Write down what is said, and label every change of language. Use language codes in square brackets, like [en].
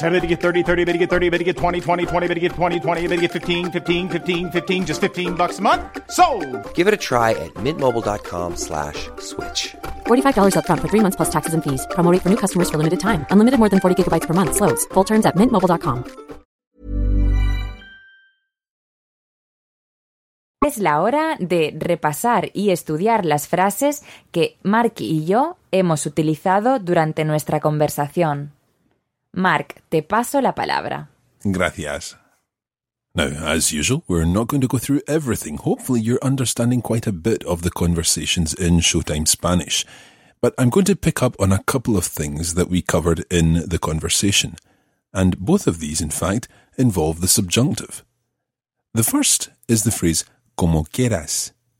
[en] How to get 30, 30, how to get 30, how to get 20, 20, 20, how to get 20, 20, how to get 15, 15, 15, 15, just $15 a month? Sold! Give it a try at mintmobile.com/switch. $45 up front for 3 months plus taxes and fees. Promo rate for new customers for limited time. Unlimited more than 40 gigabytes per month. Slows full terms at mintmobile.com. [es] Es la hora de repasar y estudiar las frases que Mark y yo hemos utilizado durante nuestra conversación. Mark, te paso la palabra. Gracias. [en] Now, as usual, we're not going to go through everything. Hopefully, you're understanding quite a bit of the conversations in Showtime Spanish. But I'm going to pick up on a couple of things that we covered in the conversation. And both of these, in fact, involve the subjunctive. The first is the phrase [es] como quieras.